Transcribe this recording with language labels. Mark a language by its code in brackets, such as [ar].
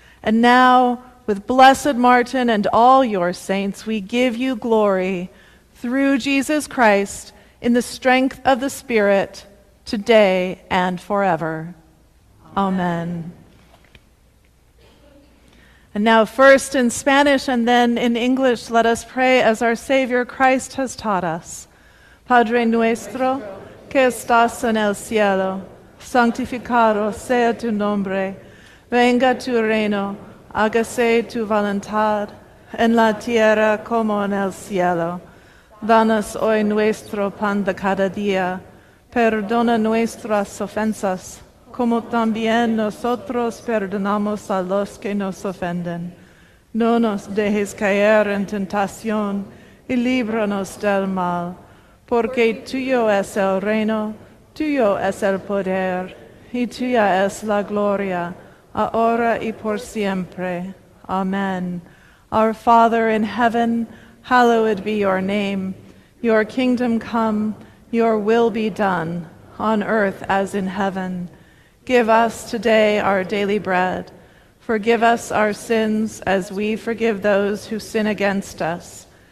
[en] And now, with Blessed Martin and all your saints, we give you glory through Jesus Christ in the strength of the Spirit, today and forever. Amen. Amen. And now, first in Spanish and then in English, let us pray as our Savior Christ has taught us. [es] Padre nuestro, que estás en el cielo, santificado sea tu nombre, venga tu reino, hágase tu voluntad, en la tierra como en el cielo. Danos hoy nuestro pan de cada día. Perdona nuestras ofensas, como también nosotros perdonamos a los que nos ofenden. No nos dejes caer en tentación, y líbranos del mal. Porque tuyo es el reino, tuyo es el poder, y tuya es la gloria, ahora y por siempre. Amen. [en] Our Father in heaven, hallowed be your name. Your kingdom come, your will be done, on earth as in heaven. Give us today our daily bread. Forgive us our sins as we forgive those who sin against us.